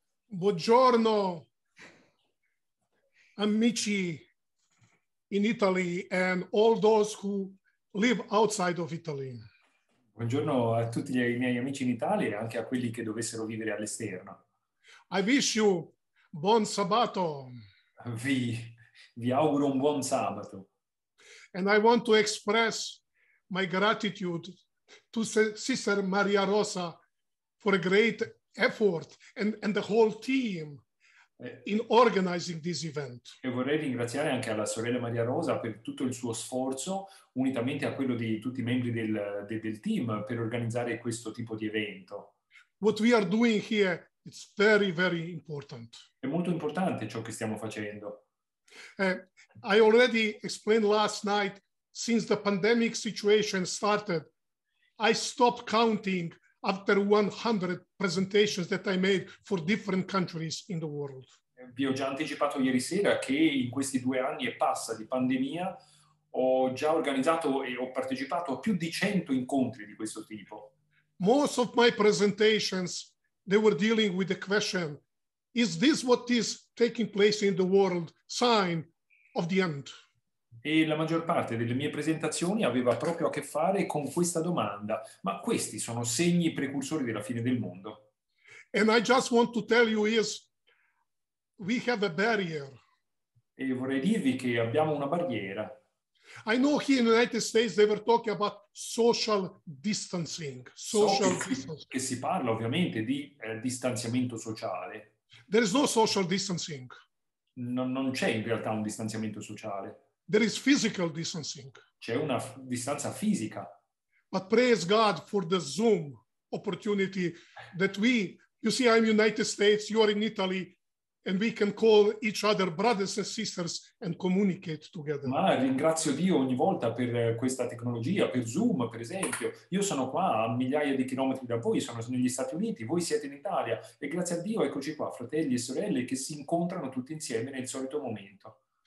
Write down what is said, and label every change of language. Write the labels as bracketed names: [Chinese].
[Italian] Buongiorno, amici [English] in Italy and all those who live outside of Italy. [Italian] Buongiorno a tutti i miei amici in Italia e anche a quelli che dovessero vivere all'esterno. [English] I wish you [Italian] buon sabato. Vi auguro un buon sabato. [English] And I want to express my gratitude to Sister Maria Rosa for a great effort and the whole team in organizing this event. [Italian] E vorrei ringraziare anche alla sorella Maria Rosa per tutto il suo sforzo, unitamente a quello di tutti i membri del team per organizzare questo tipo di evento. [English] What we are doing here is very, very important. [Italian] È molto importante ciò che stiamo facendo. [English] I already explained last night, since the pandemic situation started, I stopped counting after 100 presentations that I made for different countries in the world. [Italian] Vi ho già anticipato ieri sera che in questi due anni e passa di pandemia ho già organizzato e ho partecipato a più di 100 incontri di questo tipo. [English] Most of my presentations, they were dealing with the question, is this what is taking place in the world, sign of the end? [Italian] E la maggior parte delle mie presentazioni aveva proprio a che fare con questa domanda. Ma questi sono segni precursori della fine del mondo. [English] And I just want to tell you is, we have a barrier. [Italian] E vorrei dirvi che abbiamo una barriera. [English] I know here in the United States they were talking about social distancing. Social distancing. [Italian] Che si parla ovviamente di distanziamento sociale. [English] There is no social distancing. [Italian] Non c'è in realtà un distanziamento sociale. [English] There is physical distancing. [Italian] C'è una distanza fisica. [English] But praise God for the Zoom opportunity that we, you see, I'm United States, you are in Italy, and we can call each other brothers and sisters and communicate together. [Italian] Ma ringrazio Dio ogni volta per questa tecnologia, per Zoom, per esempio. Io sono qua a migliaia di chilometri da voi, sono negli Stati Uniti, voi siete in Italia, e grazie a Dio eccoci qua, fratelli e sorelle, che si incontrano tutti insieme nel solito momento.